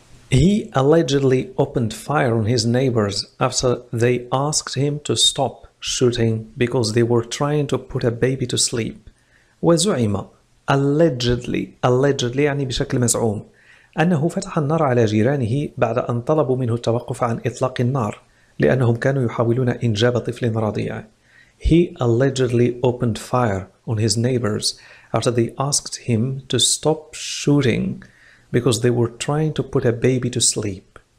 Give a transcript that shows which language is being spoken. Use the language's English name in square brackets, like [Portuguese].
[English] He allegedly opened fire on his neighbors after they asked him to stop shooting because they were trying to put a baby to sleep. [Arabic] وزعم [English] allegedly, allegedly [Arabic] يعني بشكل مزعوم، أنه فتح النار على جيرانه بعد أن طلبوا منه التوقف عن إطلاق النار لأنهم كانوا يحاولون إنجاب طفل رضيع. [English] He allegedly opened fire on his neighbors after they asked him to stop shooting because they were trying to put a baby to sleep.